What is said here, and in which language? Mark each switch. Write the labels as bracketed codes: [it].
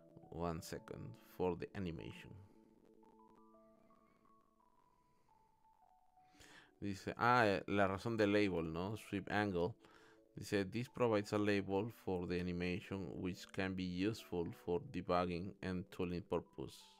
[en] 1 second for the animation. [es] Dice, la razón del label, ¿no? [en] Sweep angle. Dice, this provides a label for the animation which can be useful for debugging and tooling purpose.